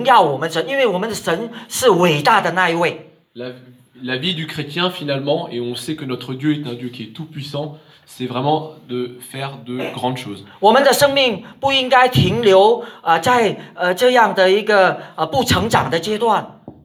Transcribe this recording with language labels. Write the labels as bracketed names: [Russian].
[Chinese] 所以我们基督徒的生命应该知道我们是透过做大事来荣耀我们神，因为我们的神是伟大的那一位。 [French] La vie du chrétien finalement, et on sait que notre Dieu est un Dieu qui est tout puissant, c'est vraiment de faire de grandes choses. [Chinese] 我们的生命不应该停留在这样的一个不成长的阶段。